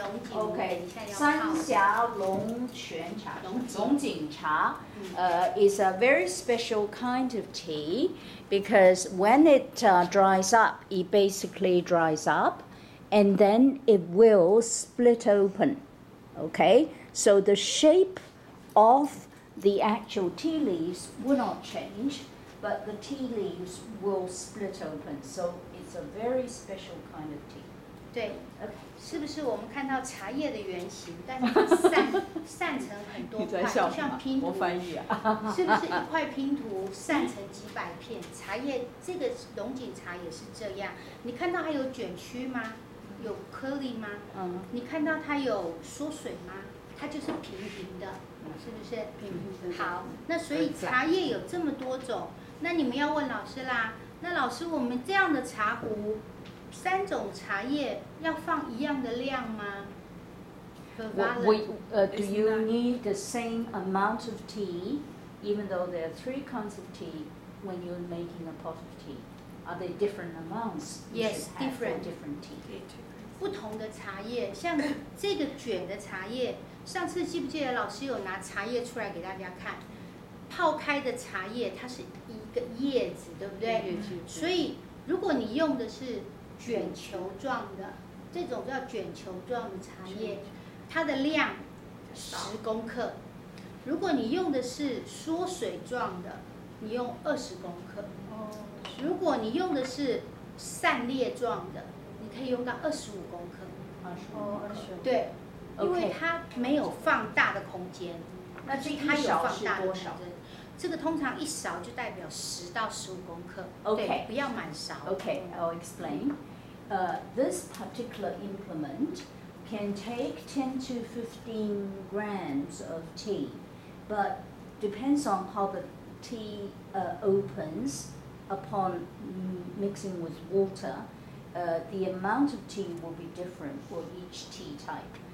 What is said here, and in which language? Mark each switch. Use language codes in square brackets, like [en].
[en] Okay, 三峡龙泉茶，龙井茶is a very special kind of tea because when it dries up, it basically dries up and then it will split open, okay? So the shape of the actual tea leaves will not change, but the tea leaves will split open. So it's a very special kind of tea. [zh] 对， [en] okay. [zh] 是不是我们看到茶叶的原型，但是它散成很多块，就像拼图。我翻译啊。是不是一块拼图散成几百片？茶叶这个龙井茶也是这样。你看到它有卷曲吗？有颗粒吗？嗯。你看到它有缩水吗？它就是平平的，是不是？平平的。好，那所以茶叶有这么多种，那你们要问老师啦。那老师，我们这样的茶壶，三种茶叶要放一样的量吗？ [en] Do you need the same amount of tea, even though there are three kinds of tea when you're making a pot of tea? Are they different amounts? Yes, different. Different tea. [zh] 不同的茶叶，像这个卷的茶叶，上次记不记得老师有拿茶叶出来给大家看？泡开的茶叶，它是一个叶子，对不对？所以如果你用的是卷球状的，这种叫卷球状的茶叶，它的量10公克。如果你用的是缩水状的，你用20公克。如果你用的是散裂状的，你可以用到25公克。 25公克。对，因为它没有放大的空间。那这一勺是多少？这个通常一勺就代表10到15公克。 [en] Okay. [zh] 对，不要满勺。 [en] Okay, I'll explain. This particular implement can take 10 to 15 grams of tea, but depends on how the tea opens. Upon mixing with water, the amount of tea will be different for each tea type.